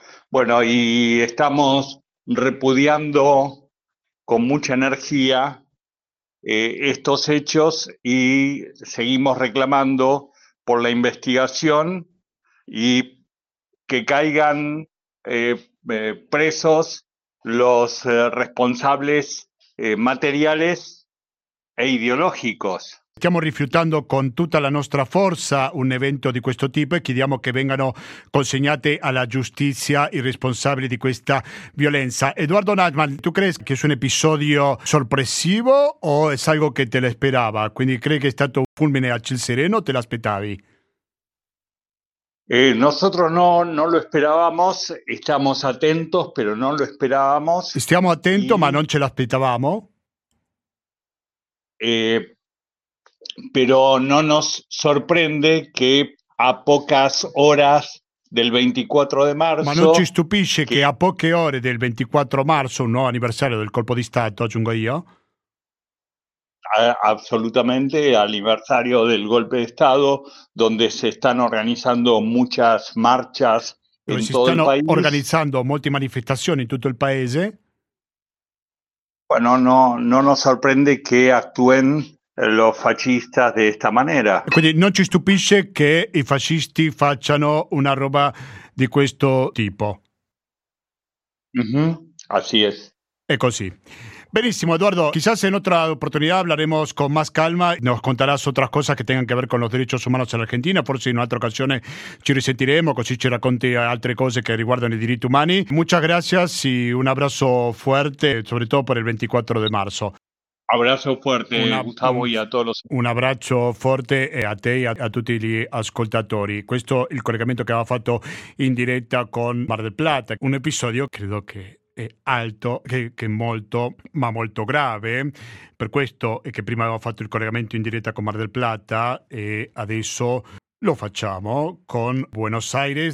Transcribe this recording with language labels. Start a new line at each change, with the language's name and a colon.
Spanish: Bueno, y estamos repudiando con mucha energía estos hechos y seguimos reclamando por la investigación y que caigan presos los responsables materiales e ideológicos.
Italian: Stiamo rifiutando con tutta la nostra forza un evento di questo tipo e chiediamo che vengano consegnate alla giustizia i responsabili di questa violenza. Eduardo Nachman, tu credi che sia un episodio sorpresivo o è algo che te l'esperava? Quindi credi che è stato un fulmine a ciel sereno o te l'aspettavi?
Spanish: Nosotros no lo esperábamos, estamos atentos, pero no lo esperábamos.
Italian: Stiamo attento, ma non ce l'aspettavamo.
Spanish: Pero no nos sorprende que a pocas horas del 24 de marzo.
Italian: Ma non ci stupisce che a poche ore del 24 marzo, un nuovo anniversario del colpo di Stato, aggiungo io.
Spanish: Absolutamente, aniversario del golpe de Estado, donde se están organizando muchas marchas en todo el país.
Italian: Si están organizando molte manifestazioni in tutto il paese.
Spanish: Bueno, no nos sorprende que actúen los fascistas de esta manera.
Italian: Quindi non ci stupisce che i fascisti facciano una roba di questo tipo.
Spanish: Así es.
Italian: È così. Benissimo, Eduardo.
Spanish: Quizás en otra oportunidad hablaremos con más calma. Nos contarás otras cosas que tengan que ver con los derechos humanos en la Argentina.
Italian: Forse
Spanish: en otra ocasión
Italian: ci risentiremo, così ci racconti altre cose que riguardan i diritti umani.
Spanish: Muchas gracias y un abrazo fuerte, sobre todo por el 24 de marzo. Abrazo fuerte, Gustavo, y a todos los. Un abrazo fuerte
Italian: a te y a tutti gli ascoltatori. Questo è il collegamento che aveva fatto in diretta con Mar del Plata. Un episodio, credo che. Alto, che molto, ma molto grave. Per questo è che prima avevo fatto il collegamento in diretta con Mar del Plata e adesso lo facciamo con Buenos Aires.